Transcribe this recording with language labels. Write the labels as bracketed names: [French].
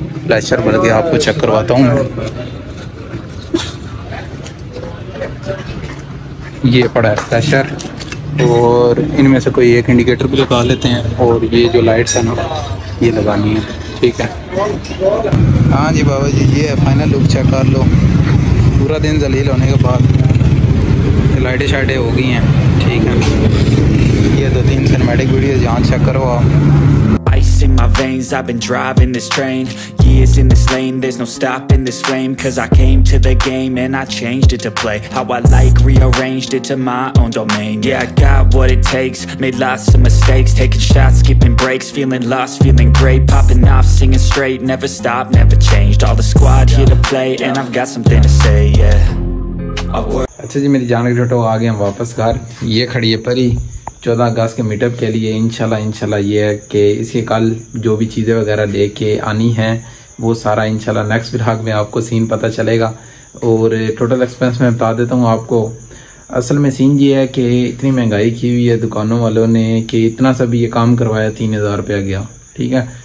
[Hindi] Flasher बन गया, आपको चेक करवाता हूँ, ये पड़ा है फ्लैशर और इनमें से कोई एक इंडिकेटर भी लगा लेते हैं और ये जो लाइट्स हैं ना ये लगानी है, ठीक है। हाँ जी बाबा जी ये है फाइनल लुक, चेक कर लो, पूरा दिन जलील होने के बाद लाइटें शाइटें हो गई हैं, ठीक है। ये दो तीन सिनेमैटिक वीडियोज यहाँ चेक करो आप। [English] Ice in my veins, I've been driving this train. Years in this lane, there's no stopping this flame. Cause I came to the game and I changed it to play. How I like, rearranged it to my own domain. Yeah, I got what it takes, made lots of mistakes. Taking shots, skipping breaks, feeling lost, feeling great. Popping off, singing straight, never stopped, never changed. All the squad here to play and I've got something to say, yeah. [Hindi] अच्छा जी मेरी जान के टोटो आ गए हैं वापस घर, ये खड़ी है परी 14 अगस्त के मीटअप के लिए। इंशाल्लाह ये है कि इसके कल जो भी चीज़ें वगैरह लेके आनी हैं वो सारा इंशाल्लाह नेक्स्ट ब्लॉग में आपको सीन पता चलेगा। और टोटल एक्सपेंस मैं बता देता हूँ आपको, असल में सीन ये है कि इतनी महंगाई की हुई है दुकानों वालों ने कि इतना सा भी ये काम करवाया 3000 रुपया गया, ठीक है।